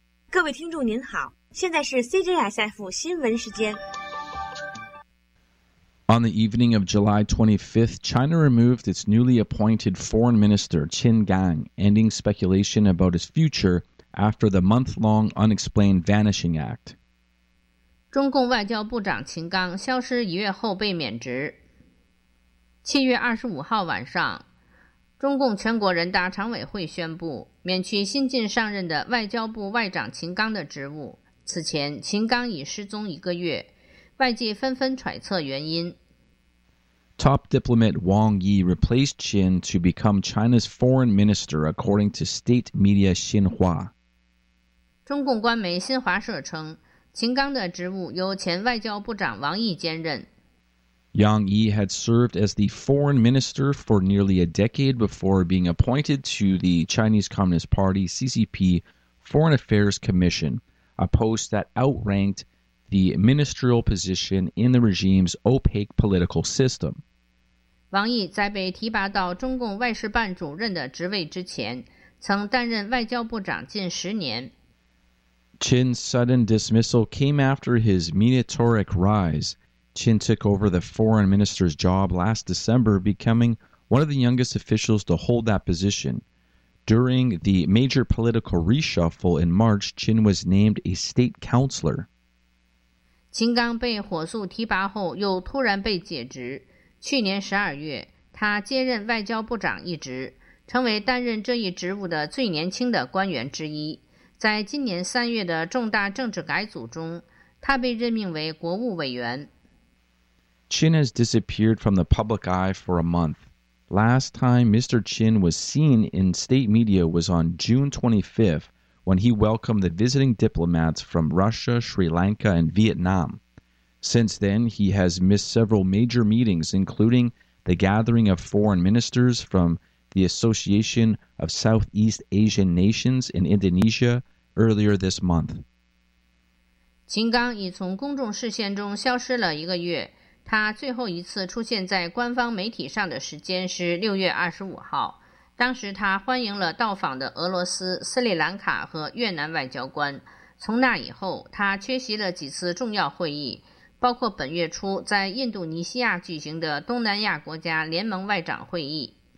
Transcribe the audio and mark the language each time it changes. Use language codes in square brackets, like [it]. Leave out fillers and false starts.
[zh] 各位听众您好，现在是 CJSF 新闻时间。 [en] On the evening of July 25th, China removed its newly appointed foreign minister, Qin Gang, ending speculation about his future after the month-long unexplained vanishing act. [zh] 中共外交部长秦刚消失一月后被免职。 7月25号晚上，中共全国人大常委会宣布免去新近上任的外交部外长秦刚的职务。此前，秦刚已失踪一个月。外界纷纷揣测原因。 [en] Top diplomat Wang Yi replaced Qin to become China's foreign minister, according to state media Xinhua. [zh] 中共官媒新华社称，秦刚的职务由前外交部长王毅兼任。 [en] Yang Yi had served as the foreign minister for nearly a decade before being appointed to the Chinese Communist Party CCP Foreign Affairs Commission, a post that outranked the ministerial position in the regime's opaque political system. [zh] 王毅在被提拔到中共外事办主任的职位之前，曾担任外交部长近十年。 [en] Qin's sudden dismissal came after his meteoric rise. Qin took over the foreign minister's job last December, becoming one of the youngest officials to hold that position. During the major political reshuffle in March, Qin was named a state counselor. [zh] 秦刚被火速提拔后又突然被解职。去年12月，他接任外交部长一职，成为担任这一职务的最年轻的官员之一。在今年3月的重大政治改组中，他被任命为国务委员。 [en] Qin has disappeared from the public eye for a month. Last time Mr. Qin was seen in state media was on June 25th. When he welcomed the visiting diplomats from Russia, Sri Lanka, and Vietnam. Since then, he has missed several major meetings, including the gathering of foreign ministers from the Association of Southeast Asian Nations in Indonesia earlier this month. [zh] 秦刚已从公众视线中消失了一个月，他最后一次出现在官方媒体上的时间是6月25号。当时他欢迎了到访的俄罗斯、斯里兰卡和越南外交官。从那以后，他缺席了几次重要会议，包括本月初在印度尼西亚举行的东南亚国家联盟外长会议。